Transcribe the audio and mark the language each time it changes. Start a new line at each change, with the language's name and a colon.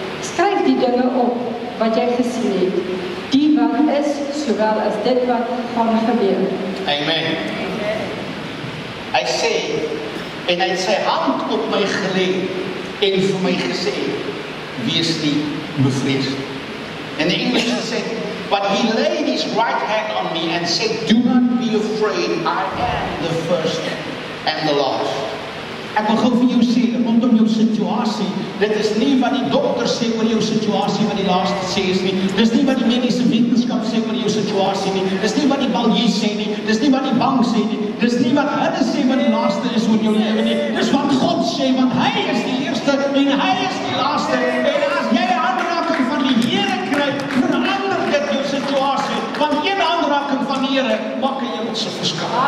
Afrikaans: Skryf die dinge op wat jy gesien het, die wat is, sowel as dit wat gaan gebeur. Amen. Hy sê, en hy het sy hand op my gelê en vir my gesê, wees nie bevrees. In Engels sê,
English: but he laid his right hand on me and said, do not be afraid, I am the first and the last.
Afrikaans: Ek wil gou vir jou sê, rondom jou situasie, dit is nie wat die dokter sê oor jou situasie wat die laaste sê is nie, dit is nie wat die mediese wetenskap sê oor jou situasie nie, dit is nie wat die baljie sê nie, dit is nie wat die bank sê nie, dit is nie wat hulle sê wat die laaste is oor jou lewe nie, dit is wat God sê, want hy is die eerste en hy is die laaste, en as jy die aanraking van die Here kry, verander dit jou situasie, want een aanraking van die Here maak een hemelse verskil.